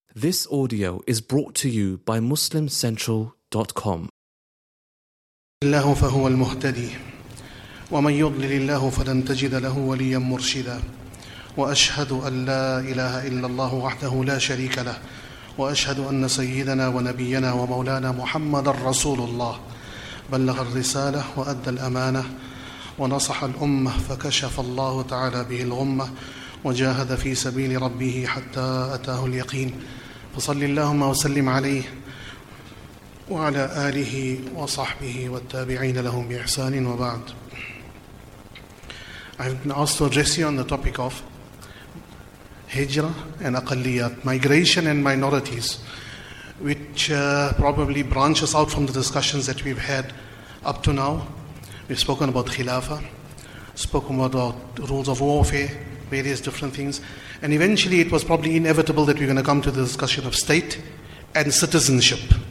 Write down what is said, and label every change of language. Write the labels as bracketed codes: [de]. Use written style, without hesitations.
[en] This audio is brought to you by MuslimCentral.com. [ar] الله فهو المهتدي ومن يضلل الله فلن تجد له وليا مرشدا وأشهد أن لا إله إلا الله وحده لا شريك له وأشهد أن سيدنا ونبينا ومولانا محمد رسول الله بلغ الرسالة وأدى الأمانة ونصح الأمة فكشف الله تعالى به الغمة وجاهد في سبيل ربه حتى أتاه اليقين فصل اللهم وسلم عليه وعلى آله وصحبه والتابعين لهم بإحسان وبعد. [en] I've been asked to address you on the topic of Hijra and Aqalliyat, migration and minorities, which probably branches out from the discussions that we've had up to now. We've spoken about Khilafah, spoken about rules of warfare, various different things, and eventually it was probably inevitable that we're going to come to the discussion of state and citizenship.